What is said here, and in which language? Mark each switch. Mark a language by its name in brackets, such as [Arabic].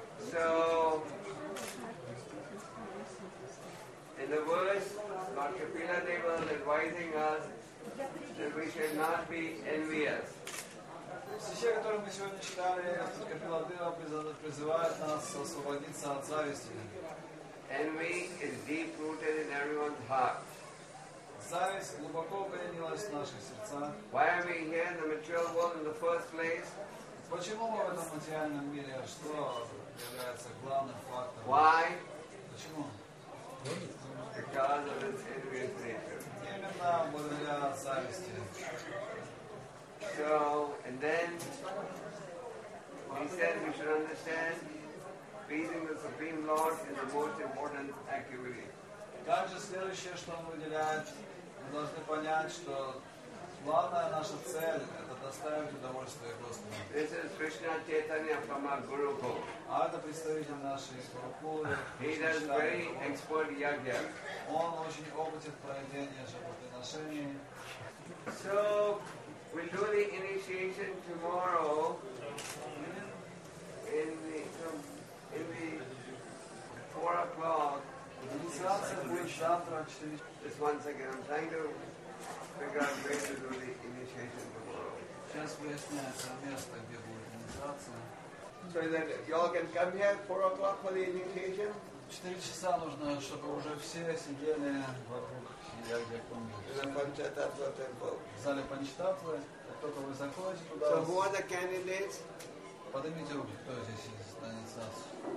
[English] So, in the verse, Lord Kapila Deva is advising us that we should not be envious. [Russian] В стихе, который мы сегодня читали, Господь Капила Дева призывает нас освободиться от зависти. [English] Envy is deep rooted in everyone's heart. [Russian] Зависть глубоко укоренилась в наших сердцах. [English] Why are we here in the material world in the first place? [Russian] Почему мы в этом материальном мире? Что является главным фактором? [English] Why? [Russian] Почему? [English] Because of its envious nature. [Russian] Именно благодаря зависти. [English] So, and then he said we should understand pleasing the Supreme Lord is the most important activity. [Russian] Также следующее, что он выделяет, мы должны понять, что главная наша цель — это доставить удовольствие Господу. [English] This is Krishna Chaitanya from our Guru Kul. [Russian] А это представитель нашей Гурукулы. [English] He does very expert yajna. [Russian] Он очень опытен в проведении жертвоприношений. [English] So we'll do the initiation tomorrow in the 4 o'clock. [Russian] Инициация будет завтра в 4. [English] Just once again, I'm trying to figure out where to do the initiation tomorrow. [Russian] Сейчас выясняется место, где будет инициация. [English] So that y'all can come here at 4 o'clock for the initiation. [Russian] 4 часа нужно, чтобы уже все сидели вокруг Панчататва Temple. В зале Панчататвы. Кто-то вы заходите туда. [English] So who are the candidates? [Russian] Поднимите руки, кто здесь из инициации.